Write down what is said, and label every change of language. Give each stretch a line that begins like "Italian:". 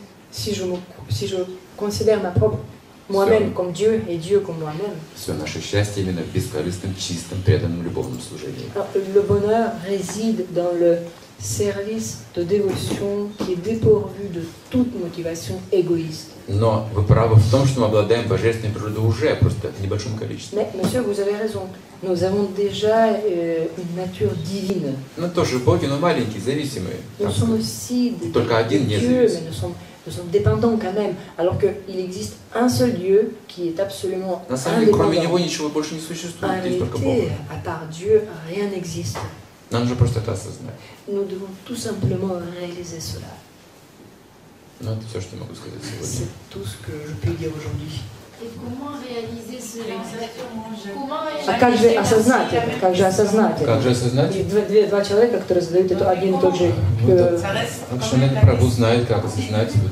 French: Si je considère ma propre moi-même comme Dieu et Dieu comme moi-même.
Russian: Все наше счастье именно в бескорыстном, чистом, преданном любовном служении.
French: Le bonheur réside dans le service de dévotion qui est dépourvu de toute motivation égoïste.
Russian: Но вы правы в том, что мы обладаем божественной природой уже, просто в небольшом количестве.
French: Mais, monsieur, vous avez raison. Nous avons déjà une nature divine.
Russian: Мы тоже боги, но маленькие, зависимые.
French: Nous sommes aussi des
Russian: Только один не зависим.
French: Nous sommes dépendants quand même, alors qu'il existe un seul Dieu qui est absolument indépendant.
Russian: На самом деле, кроме него ничего больше не существует, здесь только Бог.
French: À part Dieu, rien n'existe.
Russian: Нам нужно просто это осознать.
French: Nous devons tout simplement réaliser cela.
Russian: Ну, это все, что я могу сказать сегодня.
French: C'est tout ce que je peux dire aujourd'hui. Et comment réaliser cela exactement?
Russian: Как же осознать это? Два человека, которые задают это один и тот же... Так что мне Прабу знает, как осознать.